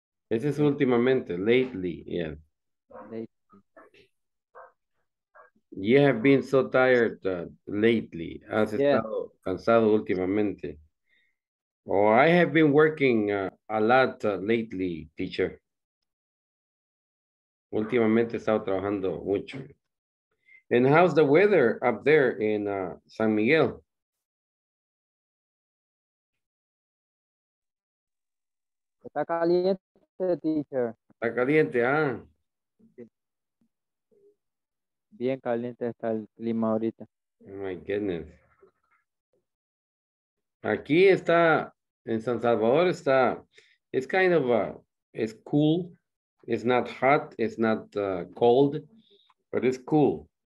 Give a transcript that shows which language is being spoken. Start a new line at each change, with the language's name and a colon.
Spanish: Ese es últimamente, lately, yeah.
English: Lately. You have been so tired lately.
Spanish: Has estado cansado últimamente.
English: Oh, I have been working a lot lately, teacher.
Spanish: Últimamente he estado trabajando mucho.
English: And how's the weather up there in San Miguel?
Spanish: Está caliente, teacher. Está caliente, ah. Bien caliente está el clima ahorita.
English: Oh, my goodness.
Spanish: Aquí está.
English: In San Salvador, it's kind of it's cool. It's not hot, it's not cold, but it's cool.